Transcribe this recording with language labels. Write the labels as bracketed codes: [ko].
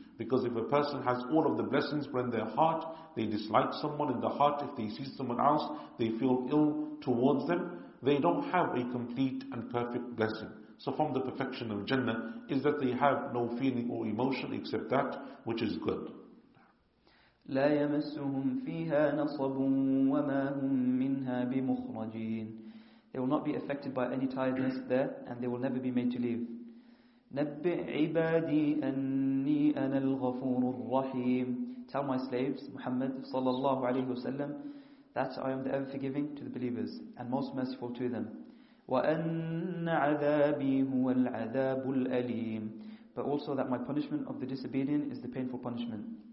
[en] Because if a person has all of the blessings in their heart, they dislike someone in the heart, if they see someone else, they feel ill towards them, they don't have a complete and perfect blessing. So from the perfection of Jannah is that they have no feeling or emotion except that which is good. [ar] لا يمسهم فيها نصب وما هم منها بمخرجين. [en] They will not be affected by any tiredness there, and they will never be made to leave. [ar] نبئ عبادي أني أنا الغفور الرحيم. [en] Tell my slaves, Muhammad [ar] صلى الله عليه وسلم, [en] that I am the ever forgiving to the believers and most merciful to them. [ar] وَأَنَّ عَذَابِي هُوَ الْعَذَابُ الْأَلِيمُ. [en] But also that my punishment of the disobedient is the painful punishment.